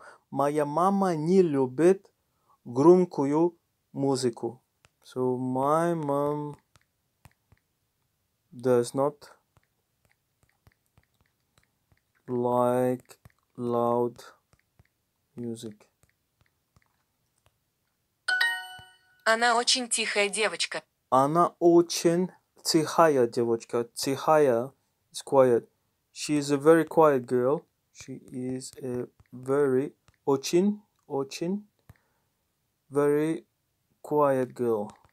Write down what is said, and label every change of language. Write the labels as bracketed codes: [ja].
[ru] Моя мама не любит громкую музыку. [en] So my mom does not like loud music. [ru] Она очень тихая девочка. Она очень Тихая девочка. Тихая [en] is quiet. She is a very quiet girl. She is a very, очень, very quiet girl.